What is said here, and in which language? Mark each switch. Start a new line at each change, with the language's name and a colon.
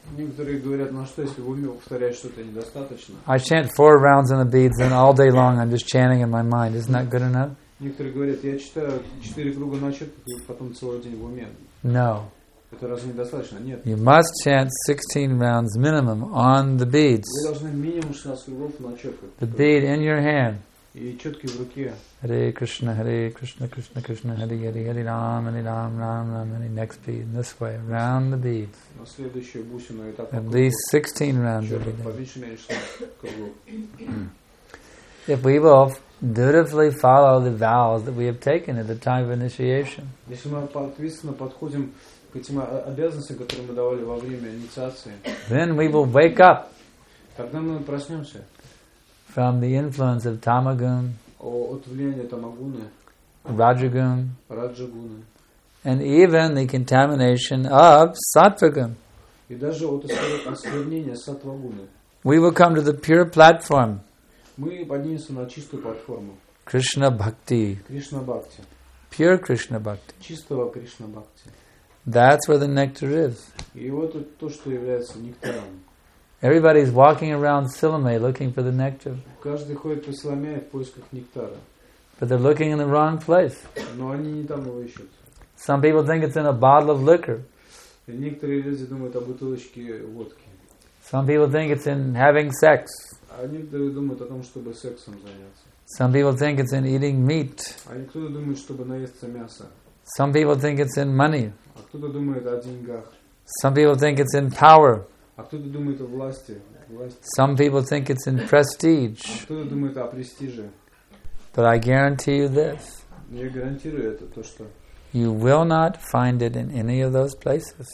Russian: Некоторые говорят, ну что, если в уме повторять что-то недостаточно?
English: I chant 4 rounds in the beads and all day long I'm just chanting in my mind. Isn't that good enough?
Russian: Некоторые говорят, я читаю 4 круга на чёток и потом целый день в уме.
English: No.
Russian: Это разве недостаточно? Нет.
English: You must chant 16 rounds minimum on the beads.
Russian: Вы должны минимум 16 кругов на чётках.
English: The bead in your hand.
Russian: И чётки в руке.
Sanskrit: Hare Krishna, Krishna, Krishna, Hare Hare, Hare Ram, Hare Ram, Ram, Ram, Hare.
English: Next bead, this way, round the beads.
Russian: На следующую бусину и так.
English: At least 16 rounds every day.
Russian: Поменьше, меньше 16 кругов.
English: If we both dutifully follow the vows that we have taken at the time of initiation.
Russian: Если мы ответственно подходим к этим обязанностям, которые мы давали во время инициации.
English: Then we will wake up.
Russian: Тогда мы проснемся.
English: From the influence of tamagun,
Russian: от влияния тамагуны, раджагун, раджагуны,
English: and even the contamination of сатвагун.
Russian: И даже от осквернения сатвагуны.
English: We will come to the pure platform.
Russian: Мы поднимемся на чистую платформу.
Sanskrit: Krishna bhakti. Krishna bhakti.
English: Pure Krishna bhakti.
Russian: Чистого Krishna bhakti.
English: That's where the nectar is.
Russian: И вот то, что является нектаром.
English: Everybody is walking around Silame looking for the nectar.
Russian: Каждый ходит по Силаме в поисках нектара.
English: But they're looking in the wrong place.
Russian: Но они не там его ищут.
English: Some people think it's in a bottle of liquor.
Russian: Некоторые люди думают о бутылочке водки.
English: Some people think it's in having sex.
Russian: А некоторые думают о том, чтобы сексом заняться.
English: Some people think it's in eating meat.
Russian: А кто-то думает, чтобы наесться мяса.
English: Some people think it's in money.
Russian: А кто-то думает о деньгах.
English: Some people think it's in power.
Russian: А кто-то думает о власти.
English: Some people think it's in prestige.
Russian: А кто-то думает о престиже.
English: But I guarantee you this.
Russian: Я гарантирую это, то что.
English: You will not find it in any of those places.